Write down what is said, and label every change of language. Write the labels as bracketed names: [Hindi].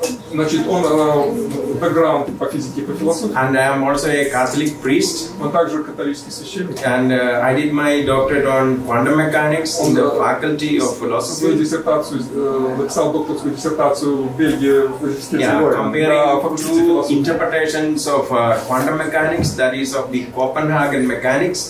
[Russian] Значит, он бэкграунд по физике, по философии. [English] And I am also a Catholic priest. [Russian] Он также католический священник. [English] And I did my doctorate on quantum mechanics in the faculty of philosophy. [Russian] Свою диссертацию, написал докторскую диссертацию в Бельгии, в [English] Comparing two interpretations of quantum mechanics, that is of the Copenhagen mechanics.